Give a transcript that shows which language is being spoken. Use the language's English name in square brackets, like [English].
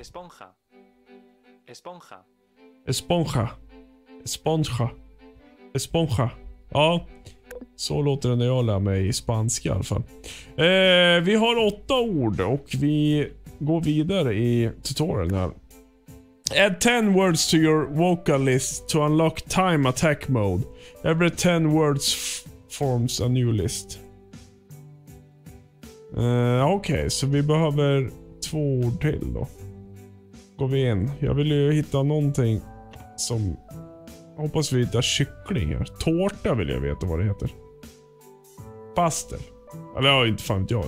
[Spanish] Esponja. Esponja. Esponja. Esponja. Esponja. Ja. [Swedish] Så låter det när jag lär mig spanska i alla fall. Vi har 8 ord och vi går vidare i tutorialen här. [English] Add 10 words to your vocalist to unlock time attack mode. Every 10 words forms a new list. [Swedish] Okej, okay, så vi behöver 2 ord till då. Går vi in. Jag vill ju hitta någonting som... Hoppas vi hittar kyckling här. Tårta vill jag veta vad det heter. Pastel. Eller ja, inte fan inte jag.